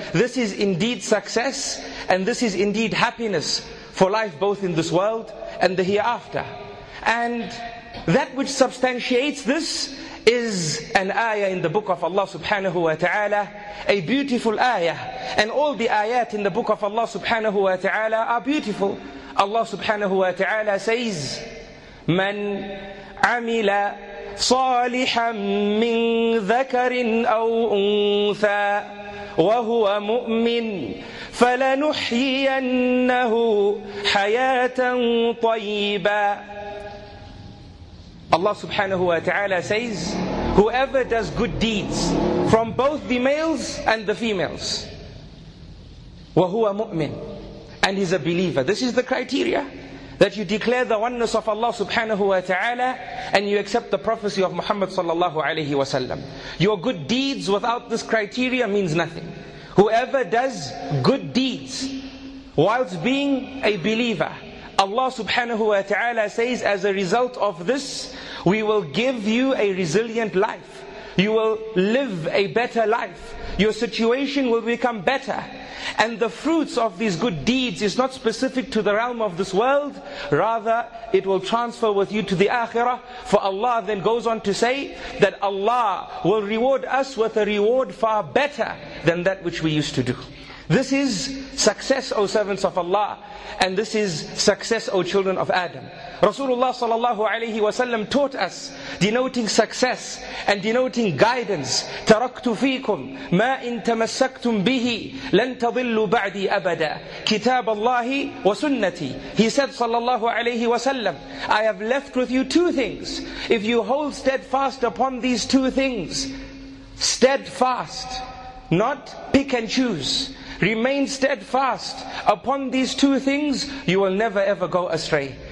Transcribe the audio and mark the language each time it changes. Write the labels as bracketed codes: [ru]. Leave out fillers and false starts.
[en] This is indeed success, and this is indeed happiness for life, both in this world and the hereafter. And that which substantiates this is an ayah in the book of Allah subhanahu wa ta'ala, a beautiful ayah. And all the ayat in the book of Allah subhanahu wa ta'ala are beautiful. Allah subhanahu wa ta'ala says, [ar] من عمل صالحا من ذكر أو أنثى وهو مؤمن فلنحيينه حياة طيبة. [en] Allah subhanahu wa ta'ala says, whoever does good deeds from both the males and the females, [ar] وَهُوَ مُؤْمِنٌ, [en] and he's a believer. This is the criteria, that you declare the oneness of Allah subhanahu wa ta'ala and you accept the prophecy of Muhammad sallallahu alayhi wa sallam. Your good deeds without this criteria means nothing. Whoever does good deeds whilst being a believer, Allah subhanahu wa ta'ala says, as a result of this, we will give you a resilient life. You will live a better life. Your situation will become better. And the fruits of these good deeds is not specific to the realm of this world. Rather, it will transfer with you to the akhirah. For Allah then goes on to say that Allah will reward us with a reward far better than that which we used to do. This is success, O servants of Allah. And this is success, O children of Adam. Rasulullah sallallahu alayhi wa sallam taught us, denoting success and denoting guidance, [ar] تَرَكْتُ فِيكُمْ مَا إِن تَمَسَّكْتُمْ بِهِ لَن تَضِلُّ بَعْدِي أَبَدًا كِتَابَ اللَّهِ وَسُنَّتِي. [en] He said sallallahu alayhi wa sallam, I have left with you two things. If you hold steadfast upon these two things, steadfast, not pick and choose, remain steadfast upon these two things, you will never ever go astray.